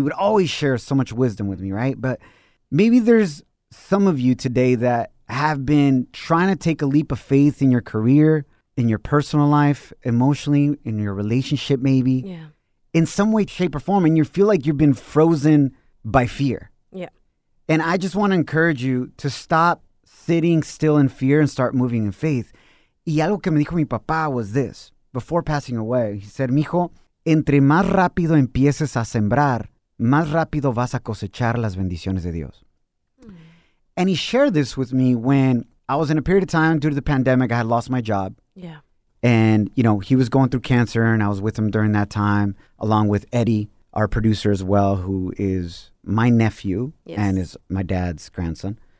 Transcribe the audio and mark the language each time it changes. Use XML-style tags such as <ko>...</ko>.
<en>He would always share so much wisdom with me, right? But maybe there's some of you today that have been trying to take a leap of faith in your career, in your personal life, emotionally, in your relationship maybe. Yeah. In some way, shape, or form, and you feel like you've been frozen by fear. Yeah. And I just want to encourage you to stop sitting still in fear and start moving in faith.</en> <es>Y algo que me dijo mi papá</es> <en>was this. Before passing away, he said,</en> <es>mijo, entre más rápido empieces a sembrar, más rápido vas a cosechar las bendiciones de Dios.</es> <en>And he shared this with me when I was in a period of time due to the pandemic, I had lost my job. Yeah. And, you know, he was going through cancer and I was with him during that time, along with Eddie, our producer as well, who is my nephew and is my dad's grandson.</en>